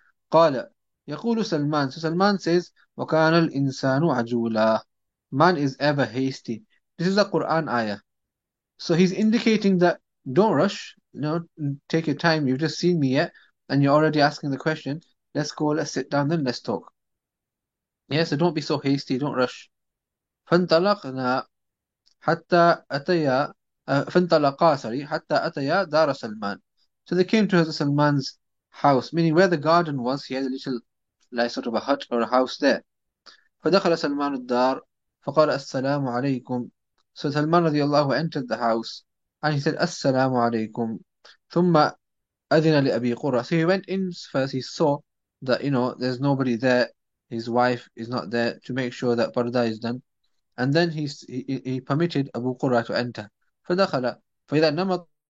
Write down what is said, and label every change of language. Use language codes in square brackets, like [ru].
[ar] Qala, yaqulu [en] Salman, so Salman says, [ar] wa kana al insanu ajula, [en] man is ever hasty. This is a Quran ayah, so he's indicating that don't rush, take your time, you've just seen me yet and you're already asking the question. Let's go, let's sit down, then let's talk. Yeah, so don't be so hasty, don't rush. [ar] فانطلقنا حتى أتيا فانطلقا سوري حتى أتيا دار سلمان. [en] So they came to Salman's house, meaning where the garden was. He had a little, like sort of a hut or a house there. [ar] فدخل سلمان الدار فقال السلام عليكم. [en] So Salman radiallahu entered the house and he said [ar] السلام عليكم. ثم أذن لأبي قرة. [en] So he went in first. He saw that there's nobody there. His wife is not there to make sure that parda is done. And then he permitted Abu Qurra to enter. [ar] فدخل فإذا نمط